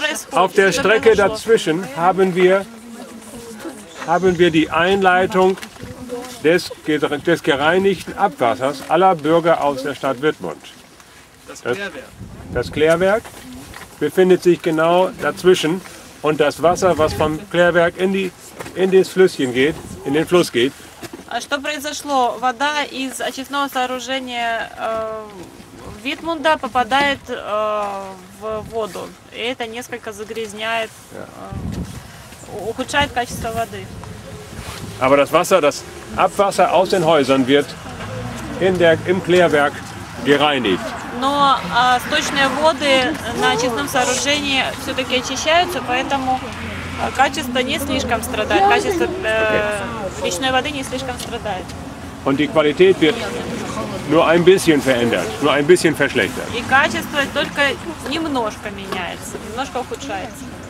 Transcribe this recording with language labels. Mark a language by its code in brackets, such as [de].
[de] Auf der Strecke dazwischen haben wir die Einleitung des gereinigten Abwassers aller Bürger aus der Stadt Wittmund. Das Klärwerk befindet sich genau dazwischen und das Wasser, was vom Klärwerk in den Fluss geht. [ru] Что произошло? Вода из очистного сооружения Витмунда попадает в воду. И это несколько загрязняет, ухудшает качество воды. [de] Aber das Wasser, das Abwasser aus den Häusern wird im Klärwerk gereinigt. [ru] Но сточные воды на очистном сооружении все-таки очищаются, поэтому качество не слишком страдает. Качество речной воды не слишком страдает. [de] Und die Qualität wird nur ein bisschen verändert, nur ein bisschen verschlechtert. [ru] И качество только немножко меняется, немножко ухудшается.